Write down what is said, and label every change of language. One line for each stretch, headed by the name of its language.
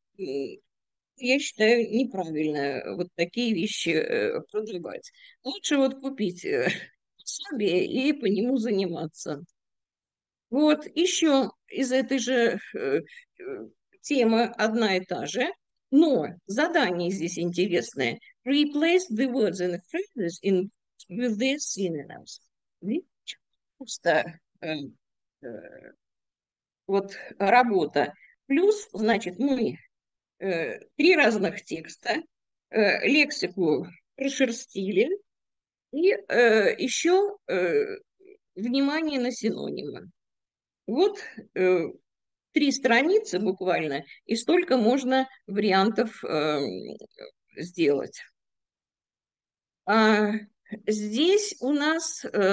Russian: И я считаю неправильно вот такие вещи продлевать. Лучше вот купить пособие и по нему заниматься. Вот еще из этой же темы одна и та же, но задание здесь интересное.
English: Replace the words and phrases in with their synonyms.
Russian: Просто вот работа. Плюс, значит, мы три разных текста, лексику прошерстили, и еще внимание на синонимы. Вот три страницы буквально, и столько можно вариантов сделать. А здесь у нас